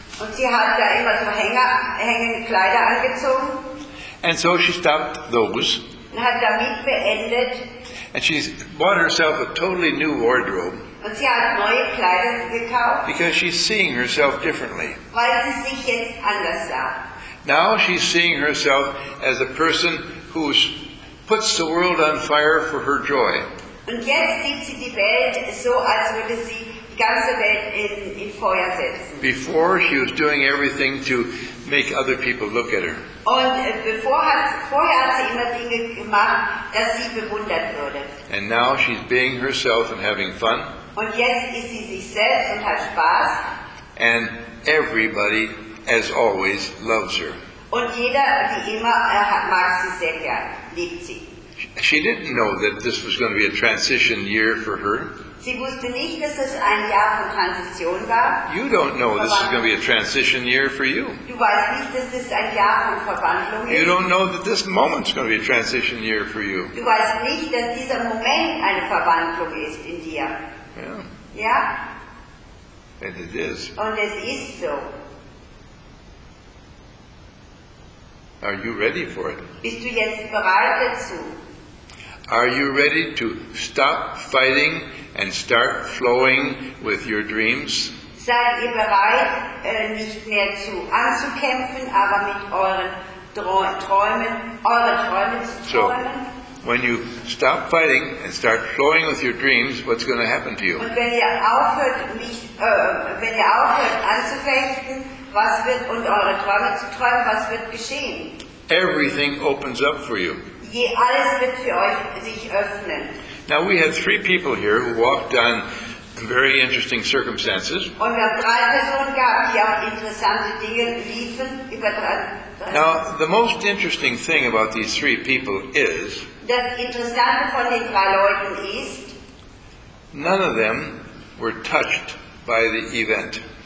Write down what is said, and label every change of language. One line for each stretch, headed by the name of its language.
German: Und sie hat ja immer so hängende Kleider angezogen.
English: And so she stopped those.
German: Und hat damit beendet.
English: And she bought herself a totally new wardrobe.
German: Und sie hat neue Kleider gekauft.
English: Because she's seeing herself differently.
German: Weil sie sich jetzt anders sah.
English: Now she's seeing herself as a person who puts the world on fire for her joy.
German: Und jetzt sieht sie die Welt so, als würde sie die ganze Welt in Feuer setzen.
English: Before she was doing everything to make other people look at her.
German: Und vorher hat sie immer Dinge gemacht, dass sie bewundert würde.
English: And now she's being herself and having fun.
German: Und jetzt ist sie sich selbst und hat Spaß.
English: And everybody, as always, loves her.
German: Und jeder, wie immer, mag sie sehr gern, liebt sie.
English: She didn't know that this was going to be a transition year for her.
German: Sie wusste nicht, dass es ein Jahr von Transition war.
English: You don't know this is going to be a transition year for you.
German: Du weißt nicht, dass es ein Jahr von Verwandlung ist.
English: You don't know that this moment is going to be a transition year for you.
German: Du weißt nicht, dass dieser Moment eine Verwandlung ist in dir.
English: Yeah. And it is.
German: Und es ist so.
English: Are you ready for it?
German: Bist du jetzt bereit dazu?
English: Are you ready to stop fighting and start flowing with your dreams?
German: Seid ihr bereit, nicht mehr zu anzukämpfen, aber mit euren Träumen, eure Träume zu träumen?
English: So, when you stop fighting and start flowing with your dreams, what's going to happen to you?
German: Und wenn ihr aufhört, anzufechten, was wird, und eure Träume zu träumen, was wird geschehen?
English: Everything opens up for you.
German: Alles wird für euch sich öffnen.
English: Now we had three people here who walked on very interesting circumstances.
German: Und wir haben drei Personen gehabt, die auch interessante Dinge liefen.
English: Now, the most interesting thing about these three people is,
German: das Interessante von den drei Leuten ist,
English: none of them were touched by the event.